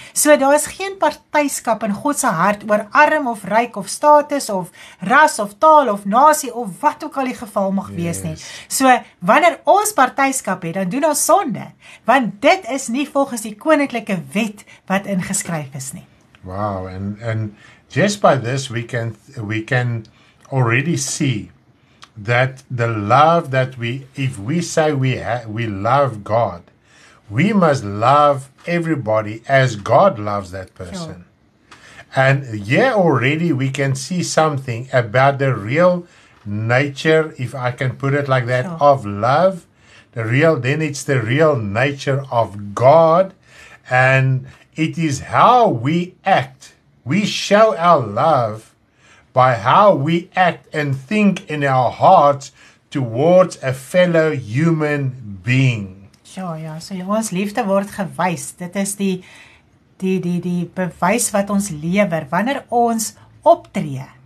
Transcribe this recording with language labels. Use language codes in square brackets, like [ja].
[af] So daar is geen partyskap in God se hart oor arm of ryk of status of ras of taal of nasie of wat ook al die geval mag wees nie. So wanneer ons partyskap het, dan doen ons sonde, want dit is nie volgens die koninklike wet wat ingeskryf is nie. [en] Wow, and just by this we can already see that the love that if we say we love God, we must love everybody as God loves that person. Sure. And yeah, already we can see something about the real nature, if I can put it like that, sure, of love. Then it's the real nature of God. And it is how we act. We show our love by how we act and think in our hearts towards a fellow human being. [af] Ja, ja, so ons liefde word gewys. Dit is die bewys wat ons lewer wanneer ons optree.